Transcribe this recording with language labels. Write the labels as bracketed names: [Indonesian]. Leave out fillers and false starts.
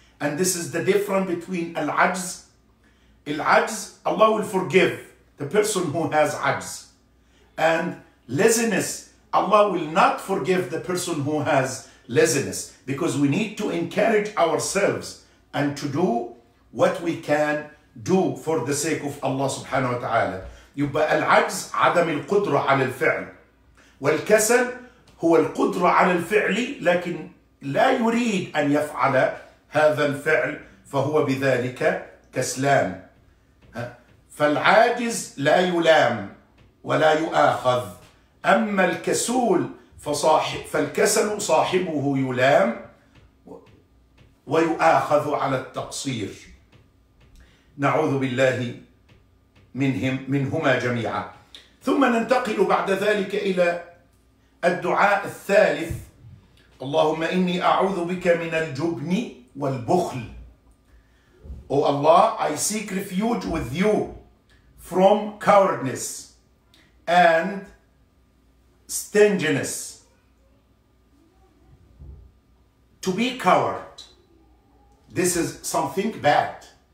[English] And this is the difference between al-ajz. Al-ajz, Allah will forgive the person who has ajz. And laziness, Allah will not forgive the person who has laziness, because we need to encourage ourselves and to do what we can do for the sake of Allah subhanahu wa ta'ala. [Arabic] يبقى العجز عدم القدرة على الفعل، والكسل هو القدرة على الفعل لكن لا يريد أن يفعل هذا الفعل فهو بذلك كسلان. فالعاجز لا يلام ولا يؤاخذ، أما الكسول فالكسل صاحبه يلام ويؤاخذ على التقصير. نعوذ بالله منهما جميعا. ثم ننتقل بعد ذلك إلى الدعاء الثالث. اللهم إني أعوذ بك من الجبن والبخل. [English] Oh Allah, I seek refuge with you from cowardness and stinginess. To be coward, this is something bad.